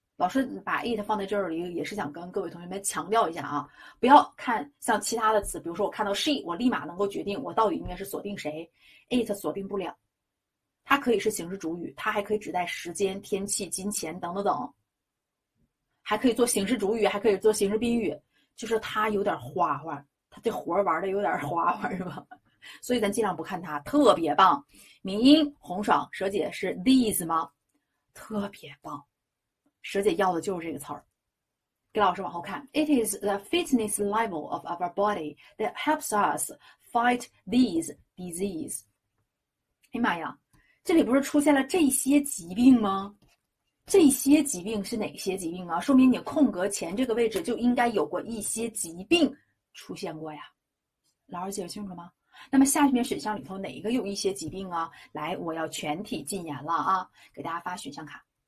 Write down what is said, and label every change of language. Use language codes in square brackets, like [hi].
[zh] 老师把 it 放在这里，也是想跟各位同学们强调一下啊，不要看像其他的词，比如说我看到 she，我立马能够决定我到底应该是锁定谁，it 锁定不了，它可以是形式主语，它还可以指代时间、天气、金钱等等等，还可以做形式主语，还可以做形式宾语，就是它有点花花，它这活玩的有点花花是吧？所以咱尽量不看它，特别棒。明音红爽，蛇姐是 these 吗？特别棒。蛇姐要的就是这个词儿，给老师往后看。 [en] It is the fitness level of our body that helps us fight these disease。 [zh] 哎妈呀，这里不是出现了这些疾病吗？这些疾病是哪些疾病啊？说明你空格前这个位置就应该有过一些疾病出现过呀。老师解释清楚吗？那么下面选项里头哪一个有一些疾病啊？来，我要全体禁言了啊，给大家发选项卡。